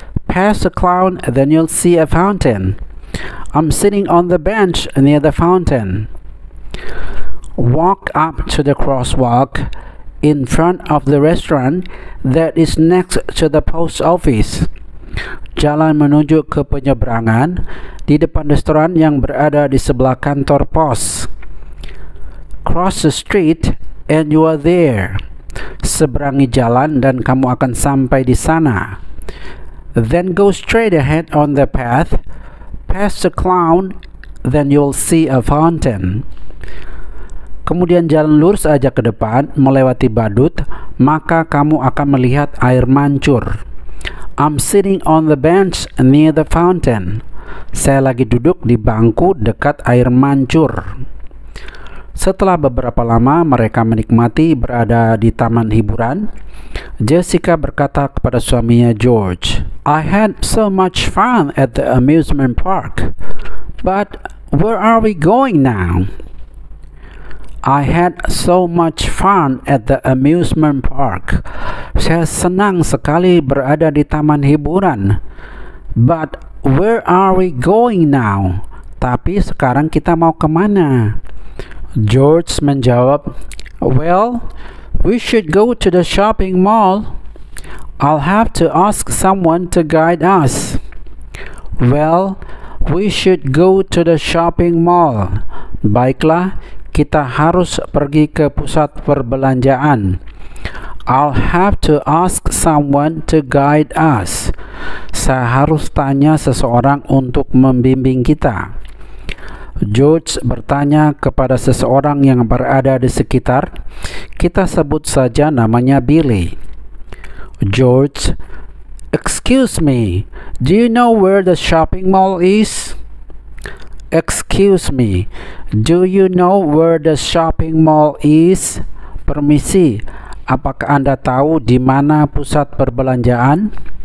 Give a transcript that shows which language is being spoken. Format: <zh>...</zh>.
<en>Pass the clown, then you'll see a fountain. I'm sitting on the bench near the fountain. Walk up to the crosswalk in front of the restaurant that is next to the post office.</en> <id>Jalan menuju ke penyeberangan di depan restoran yang berada di sebelah kantor pos.</id> <en>Cross the street and you are there.</en> <id>Seberangi jalan dan kamu akan sampai di sana.</id> <en>Then go straight ahead on the path. Pass the clown, then you'll see a fountain.</en> <id>Kemudian jalan lurus aja ke depan, melewati badut, maka kamu akan melihat air mancur.</id> <en>I'm sitting on the bench near the fountain.</en> <id>Saya lagi duduk di bangku dekat air mancur. Setelah beberapa lama mereka menikmati berada di taman hiburan, Jessica berkata kepada suaminya George,</id> <en>I had so much fun at the amusement park, but where are we going now? I had so much fun at the amusement park.</en> <id>Saya senang sekali berada di taman hiburan.</id> <en>But where are we going now?</en> <id>Tapi sekarang kita mau kemana? George menjawab,</id> <en>well, we should go to the shopping mall. I'll have to ask someone to guide us. Well, we should go to the shopping mall.</en> <id>Baiklah, kita harus pergi ke pusat perbelanjaan.</id> <en>I'll have to ask someone to guide us.</en> <id>Saya harus tanya seseorang untuk membimbing kita. George bertanya kepada seseorang yang berada di sekitar. Kita sebut saja namanya Billy.</id> <en>George, excuse me, do you know where the shopping mall is? Excuse me, do you know where the shopping mall is?</en> <id>Permisi, apakah Anda tahu di mana pusat perbelanjaan?</id>